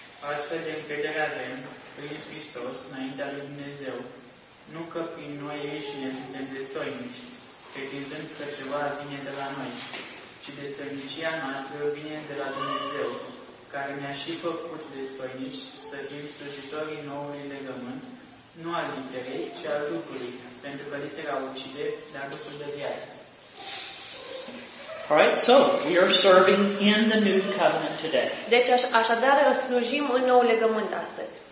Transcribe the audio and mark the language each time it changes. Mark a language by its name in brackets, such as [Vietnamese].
[Romanian] Astfel de încredere avem prin Hristos înaintea lui Dumnezeu, nu că prin noi ieșine suntem destoinici, pretinzând că ceva vine de la noi, ci destoinicia noastră vine de la Dumnezeu, care ne-a și făcut destoinici să fim slujitorii noului legământ, nu al literei, ci al Duhului, pentru că litera ucide, dar Duhul de viață. [English] All right, so we are serving in the new covenant today. [Romanian] Deci așadar slujim în nou legământ astăzi.